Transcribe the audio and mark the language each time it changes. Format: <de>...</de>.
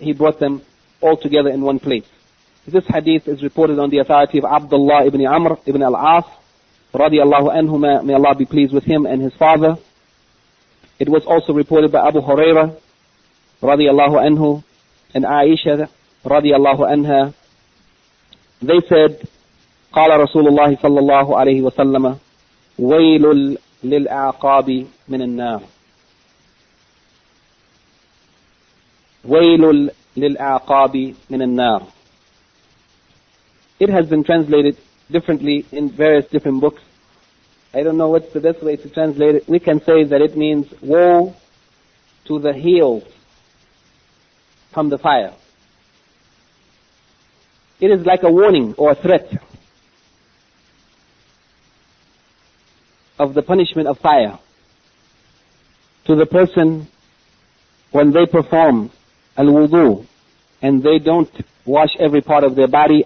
<en>He brought them all together in one place. This hadith is reported on the authority of Abdullah ibn Amr ibn al-As, radiallahu anhuma, may Allah be pleased with him and his father. It was also reported by Abu Huraira, radiallahu anhu, and Aisha, radiallahu anha. They said,</en> <ar>قَالَ رَسُولُ اللَّهِ صَلَّى اللَّهُ عَلَيْهِ وَسَلَّمَ وَيْلُ لِلْأَعْقَابِ مِنَ النَّارِ وَيْلُ لِلْأَعْقَابِ مِنَ النَّارِ.</ar> <en>It has been translated differently in various different books. I don't know what's the best way to translate it. We can say that it means woe to the heels from the fire. It is like a warning or a threat of the punishment of fire to the person when they perform al-wudu and they don't wash every part of their body.</en>